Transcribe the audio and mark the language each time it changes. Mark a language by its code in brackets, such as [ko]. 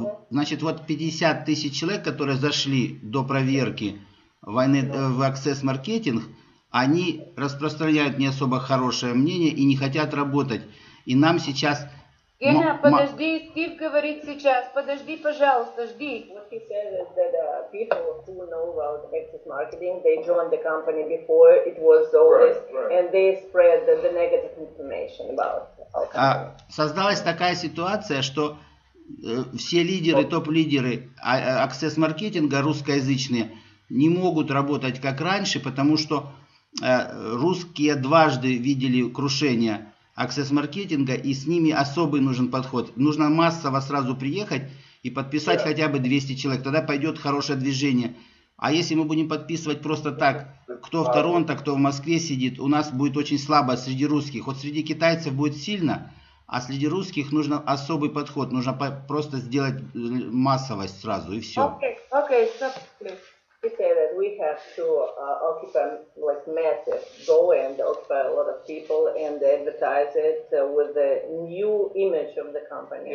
[ru] Значит, вот 50 тысяч человек, которые зашли до проверки в аксесс-маркетинг, они распространяют не особо хорошее мнение и не хотят работать. И нам сейчас... Гена, подожди, Стив говорит сейчас. Подожди, пожалуйста, жди. [en] What he said is that people who know about access marketing, they joined the company before it was always, and they spread the negative information about... [ru] Создалась такая ситуация, что... Все лидеры, топ-лидеры аксесс-маркетинга русскоязычные не могут работать как раньше, потому что русские дважды видели крушение аксесс-маркетинга, и с ними особый нужен подход. Нужно массово сразу приехать и подписать хотя бы 200 человек, тогда пойдет хорошее движение. А если мы будем подписывать просто так, кто в Торонто, кто в Москве сидит, у нас будет очень слабо среди русских. Вот среди китайцев будет сильно. А среди русских нужно особый подход, нужно просто сделать массовость сразу и все. [en] Okay, stop, please. He said that we have to occupy like massive go and occupy a lot of people and advertise it with the new image of the company.